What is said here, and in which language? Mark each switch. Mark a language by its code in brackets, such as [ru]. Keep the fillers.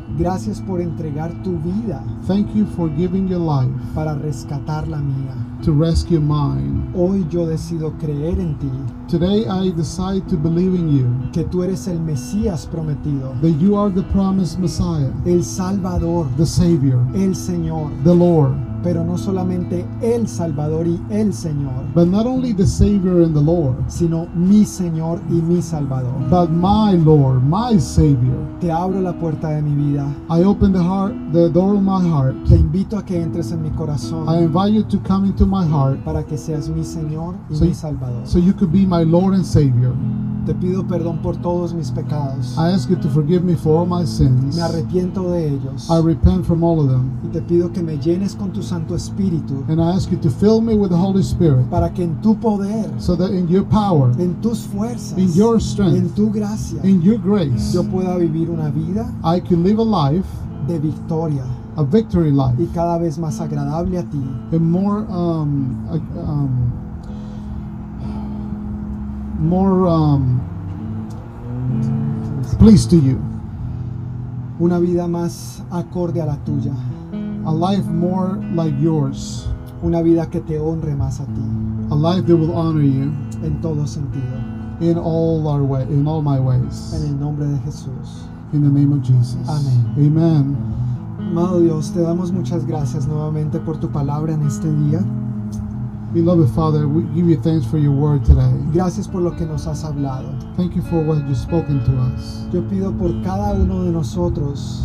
[es] Gracias por entregar tu vida. [en] Thank you for giving your life [es] para rescatar la mía. [en] To rescue mine. [es] Hoy yo decido creer en ti. [en] Today I decide to believe in you. [es] Que tú eres el Mesías prometido. [en] That you are the promised Messiah. [es] El Salvador. [en] The Savior. [es] El Señor. [en] The Lord [es] pero no solamente el Salvador y el Señor, [en] but not only the Savior and the Lord, [es] sino mi Señor y mi Salvador, [en] but my Lord, my Savior. [es] Te abro la puerta de mi vida. [en] I open the heart, the door of my heart. [es] Te invito a que entres en mi corazón. [en] I invite you to come into my heart, [es] para que seas mi Señor y so mi Salvador. [en] So you could be my Lord and Savior. [es] Te pido perdón por todos mis pecados. [en] I ask you to forgive me for all my sins. [es] Me arrepiento de ellos. [en] I repent from all of them. [es] Y te pido que me llenes con tu Espíritu, [en] and I ask you to fill me with the Holy Spirit. Poder, so that in your power. Fuerzas, in your strength. Gracia, in your grace. Yo I can live a life. of victoria. A victory life. [es] Y cada vez más agradable a [en] And more, um, a, um, more, um, to you. A life more [es] acorde a la tuya. [en] A life more like yours. [es] Una vida que te honre más a ti. [en] A life that will honor you. [es] En todo sentido. [en] In all our way, in all my ways. [es] En el nombre de Jesús. [en] In the name of Jesus. [es] Amén. Amen. Amado Dios, te damos muchas gracias nuevamente por tu palabra en este día. [en] Beloved Father, we give you thanks for your word today. [es] Gracias por lo que nos has hablado. [en] Thank you for what you've spoken to us. [es] Yo pido por cada uno de nosotros.